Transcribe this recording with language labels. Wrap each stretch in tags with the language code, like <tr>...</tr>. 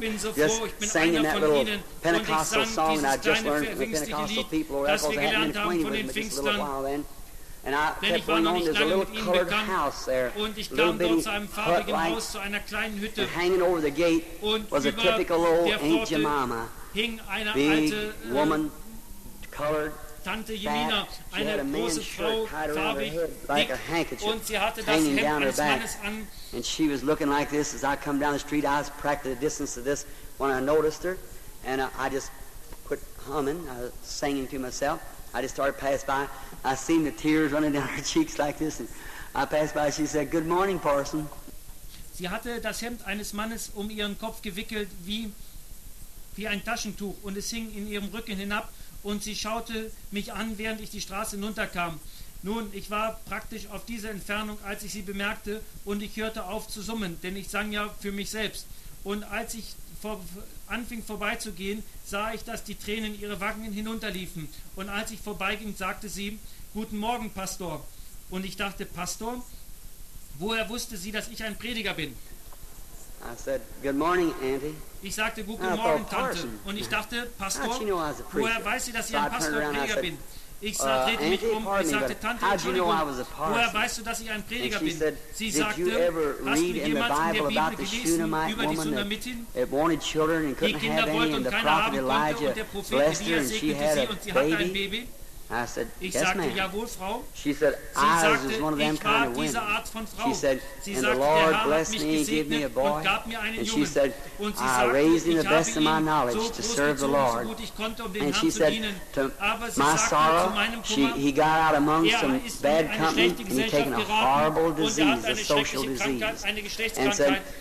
<en>Just singing that little Pentecostal song that I just learned from the Pentecostal people, or else I hadn't been acquainted with them just a little while then. And I kept going on, there's a little colored house there, a little bitty hut-like. And hanging over the gate was a typical old Aunt Jemima, big woman, colored.</en> <de>Tante Jemina, eine große Frau, farbig,</de> <en>like a handkerchief hanging down her back. And she was looking like this as I come down the street. I was practicing the distance of this when I noticed her. And I just quit humming, singing to myself. I just started passing by. I seen the tears running down her cheeks like this. And I passed by. She said, good morning, Parson.</en> <de>Sie hatte das Hemd eines Mannes ihren Kopf gewickelt wie ein Taschentuch. Und es hing in ihrem Rücken hinab. Und sie schaute mich an, während ich die Straße hinunterkam. Nun, ich war praktisch auf dieser Entfernung, als ich sie bemerkte, und ich hörte auf zu summen, denn ich sang ja für mich selbst. Und als ich anfing vorbeizugehen, sah ich, dass die Tränen ihre Wangen hinunterliefen. Und als ich vorbeiging, sagte sie, guten Morgen, Pastor. Und ich dachte, Pastor, woher wusste sie, dass ich ein Prediger bin?</de> <en>I said, good morning, Auntie.</en> <de>Ich sagte, guten Morgen, Tante. Und ich dachte, Pastor, woher weiß sie, dass ich ein Pastor-Prediger bin? Ich drehte mich um und sagte, Tante, Entschuldigung, woher weißt du, dass ich ein Prediger bin? Sie sagte, hast du jemals in der Bibel gelesen über die Sunamitin? Die Kinder wollten und keiner haben konnte und der Prophet Elia segnete sie und sie hatte ein Baby.</de> <en>I said, yes, ma'am.</en> <de>Jawohl, Frau.</de> <en>She said, I was one of them kind of women. She said, and the Lord blessed me and gave me a boy. And she said, I raised him the best of my knowledge to serve the Lord. And she said, to my sorrow, he got out among some bad company and he'd taken a horrible disease, a social disease. And said,</en>